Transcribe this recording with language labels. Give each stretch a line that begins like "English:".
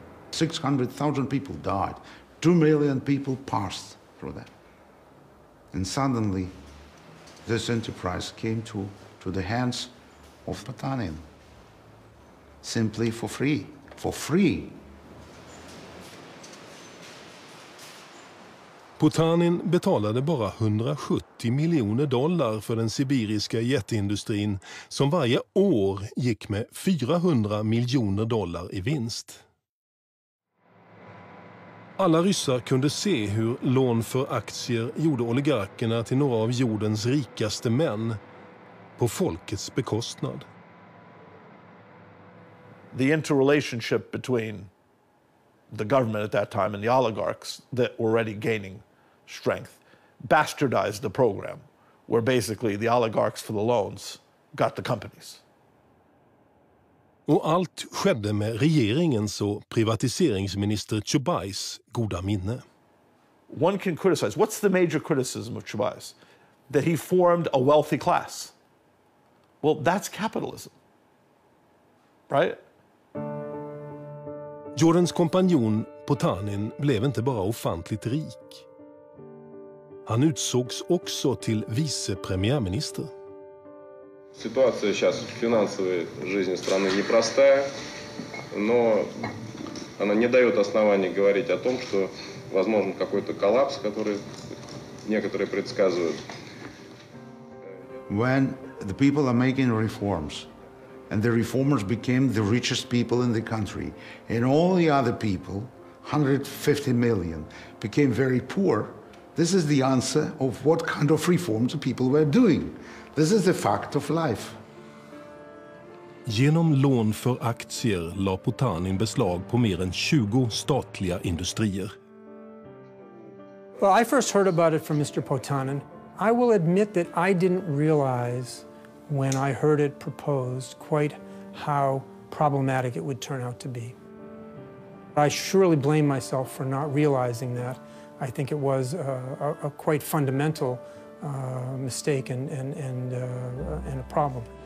English: 600,000 people died. 2 million people passed through that. And suddenly, this enterprise came to the hands of Potanin, simply for free, for free.
Swedish: Potanin betalade bara 170 miljoner dollar för den sibiriska jätteindustrin som varje år gick med 400 miljoner dollar i vinst. Alla ryssar kunde se hur lån för aktier gjorde oligarkerna till några av jordens rikaste män på folkets bekostnad.
English: The interrelationship between the government at that time and the oligarchs that were already gaining strength bastardized the program, where basically the oligarchs for the loans got the companies.
Swedish: Och allt skedde med regeringens och privatiseringsminister Chubais goda minne.
English: One can criticize. What's the major criticism of Chubais? That he formed a wealthy class. Well, that's capitalism. Right?
Swedish: Jordans kompanjon Potanin blev inte bara ofantligt rik. Han utsågs också till vice premiärminister.
Russian: Ситуация сейчас в финансовой жизни страны непростая, но она не дает оснований говорить о том, что возможен какой-то коллапс, который некоторые предсказывают.
English: When the people are making reforms, and the reformers became the richest people in the country, and all the other people, 150 million, became very poor, this is the answer of what kind of reforms the people were doing. This is a fact of life.
Swedish: Genom lån för aktier la Potanin beslag på mer än 20 statliga industrier.
English: Well, I first heard about it from Mr. Potanin. I will admit that I didn't realize when I heard it proposed quite how problematic it would turn out to be. I surely blame myself for not realizing that. I think it was a quite fundamental mistake and a problem.